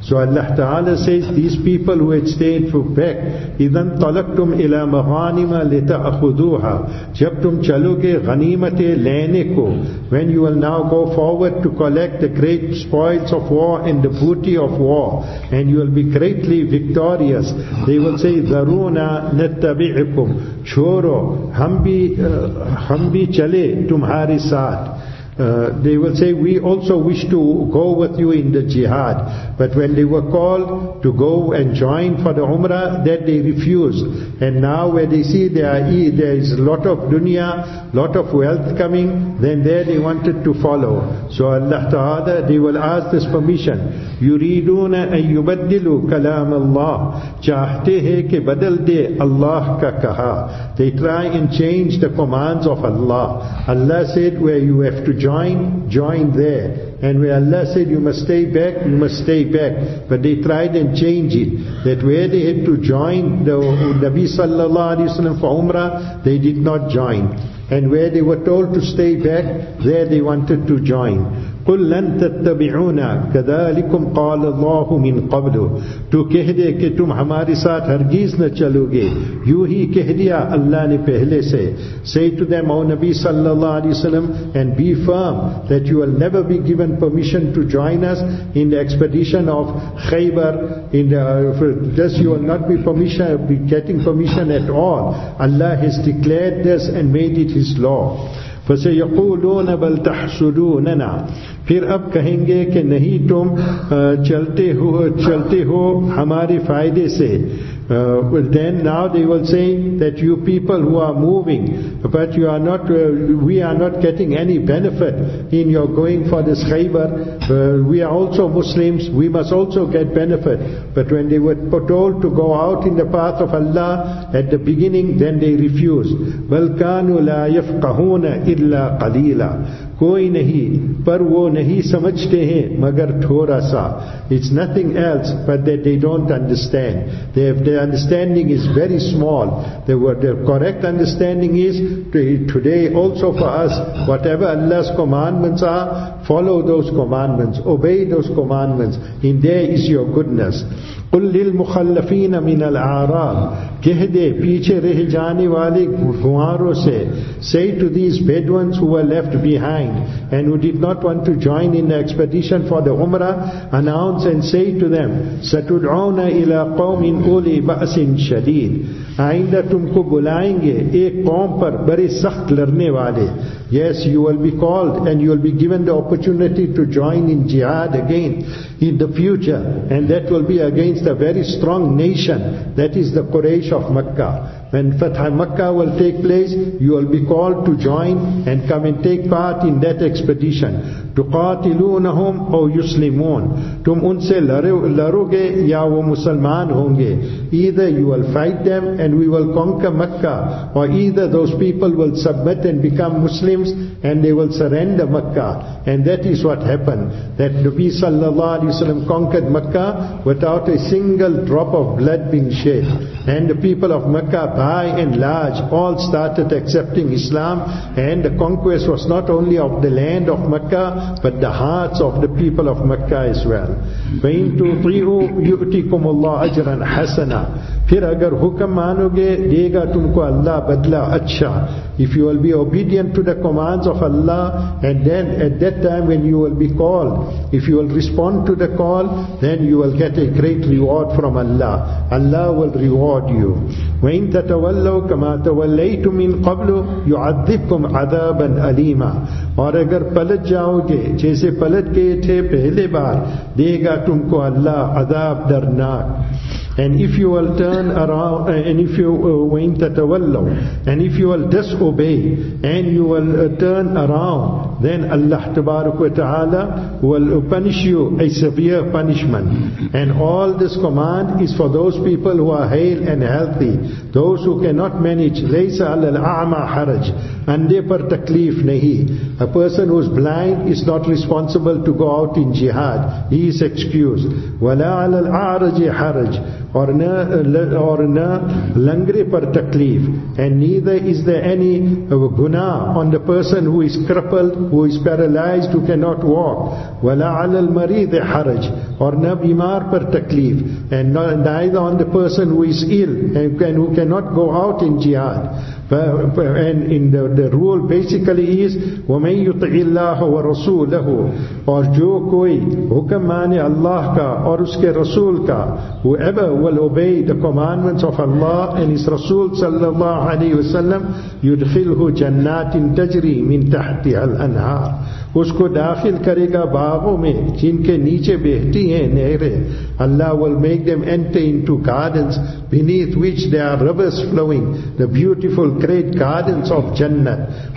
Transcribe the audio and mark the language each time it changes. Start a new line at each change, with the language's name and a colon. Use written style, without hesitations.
English: So Allah Ta'ala says, these people who had stayed for back,
Arabic: إِذَنْ طَلَقْتُمْ إِلَىٰ مَغَانِمَ لِتَأَخُذُوهَا.
Urdu: جَبْ تُمْ چَلُوا گِ غَنِيمَتِ لَيْنِ كُو.
English: When you will now go forward to collect the great spoils of war and the booty of war, and you will be greatly victorious, they will say,
Arabic: ذَرُونَا نَتَّبِعِكُمْ.
Urdu: چھوڑو ہم بھی چلے تمہارے ساتھ.
English: They will say, we also wish to go with you in the jihad. But when they were called to go and join for the Umrah, that they refused. And now where they see there is a lot of dunya, lot of wealth coming, then there they wanted to follow. So Allah Ta'ala, they will ask this permission.
Arabic: يُرِيدُونَ أَن يُبَدِّلُوا كَلَامَ اللَّهِ
Urdu: چاہتے ہیں کہ بدل دے اللہ کا کہا.
English: They try and change the commands of Allah. Allah said, where you have to join, join there. And where Allah said, you must stay back, you must stay back. But they tried and changed it. That where they had to join the Nabi Sallallahu Alaihi Wasallam for Umrah, they did not join. And where they were told to stay back, there they wanted to join.
Arabic: قُلْ لَن تَتَّبِعُونَا كَذَلِكُمْ قَالَ اللَّهُ مِنْ قَبْلُ.
Urdu: تو کہہ دے کہ تم ہمارے ساتھ ہرگیز نہ چلو گے. یوں ہی کہہ دیا اللہ نے پہلے سے.
English: Say to them, O Nabi sallallahu alayhi wa sallam, and be firm that you will never be given permission to join us in the expedition of Khaybar. Thus you will not be getting permission at all. Allah has declared this and made it His law.
Arabic: فَسَيَقُولُونَ بَلْ تَحْسُدُونَنَا.
Urdu: پھر اب کہیں گے کہ نہیں تم چلتے ہو ہمارے فائدے سے.
English: Then now they will say that you people who are moving, but you are not, we are not getting any benefit in your going for this Khaybar. We are also Muslims, we must also get benefit. But when they were told to go out in the path of Allah at the beginning, then they refused.
Arabic: وَالْكَانُوا لَا يَفْقَهُونَ إِلَّا قَلِيلًا.
Urdu: کوئی نہیں پر وہ نہیں سمجھتے ہیں مگر تھوڑا سا.
English: It's nothing else but that they don't understand. Their understanding is very small. Their correct understanding is, today also for us, whatever Allah's commandments are, follow those commandments, obey those commandments. In there is your goodness.
Arabic: قُلْ لِلْمُخَلَّفِينَ مِنَ الْعَارَابِ.
Urdu: کہہ دے پیچھے رہ جانے والے گواروں سے.
English: Say to these Bedouins who were left behind and who did not want to join in the expedition for the Umrah, announce and say to them,
Arabic: سَتُدْعَوْنَ إِلَىٰ قَوْمٍ أُولِي بَأْسٍ شَدِيدٍ.
Urdu: آئندہ تم کو بلائیں گے ایک قوم پر بڑے سخت لڑنے والے.
English: Yes, you will be called and you will be given the opportunity to join in jihad again in the future, and that will be against a very strong nation, that is the Quraysh of Makkah. When Fatha Makkah will take place, you will be called to join and come and take part in that expedition.
Arabic: تُقَاتِلُونَهُمْ أَوْ يُسْلِمُونَ.
Urdu: تم ان سے لڑو گے یا وہ مسلمان ہوں گے.
English: Either you will fight them and we will conquer Makkah, or either those people will submit and become Muslims and they will surrender Makkah. And that is what happened, that Nabi sallallahu alayhi wa sallam conquered Makkah without a single drop of blood being shed. And the people of Makkah, by and large, all started accepting Islam, and the conquest was not only of the land of Makkah, but the hearts of the people of Makkah as well.
Arabic: فَإِن تُطِعُوا يُؤْتِكُمُ اللَّهُ أَجْرًا حَسَنًا.
Urdu: پھر اگر حکم مانو گے دے گا تم کو اللہ بدلہ اچھا.
English: If you will be obedient to the commands of Allah, and then at that time when you will be called, if you will respond to the call, then you will get a great reward from Allah. Allah will reward you.
Arabic: وَإِن تَتَوَلَّوْا كَمَا تَوَلَّيْتُمْ مِنْ قَبْلُ يُعَذِّبْكُمْ عَذَابًا أَلِيمًا.
Urdu: اور اگر پلٹ جاؤ گے جیسے پلٹ گئے تھے پہلے بار, دے گا تم کو اللہ عذاب درناک.
English: And if you will turn around, and if you went to tawallu, and if you will disobey, and you will turn around, then Allah tabaraka wa ta'ala will punish you a severe punishment. And all this command is for those people who are hale and healthy, those who cannot manage.
Arabic: Laysa alal a'ma haraj,
Urdu: andhe par takleef nahi.
English: A person who is blind is not responsible to go out in jihad. He is excused.
Arabic: Wala alal a'raji haraj,
Urdu: or na langre par takleef.
English: And neither is there any guna on the person who is crippled, who is paralyzed, who cannot walk.
Arabic: Wala alal marid haraj,
Urdu: or na bimar par takleef.
English: And neither on the person who is ill and who cannot go out in jihad. And in the rule basically is,
Arabic: وَمَنْ يُطِعِ اللَّهُ وَرَسُولَهُ.
Urdu: اور جو کوئی حکم مانے اللہ کا اور اس کے رسول کا.
English: Whoever will obey the commandments of Allah and His Rasul sallallahu alayhi wa sallam,
Arabic: يُدْخِلْهُ جَنَّاتٍ تَجْرِي مِنْ تَحْتِهَا الْأَنْهَارِ.
Urdu: اس کو داخل کرے گا باغوں میں جن کے نیچے بہتی ہیں نہریں.
English: Allah will make them enter into gardens beneath which there are rivers flowing, the beautiful great gardens of Jannah.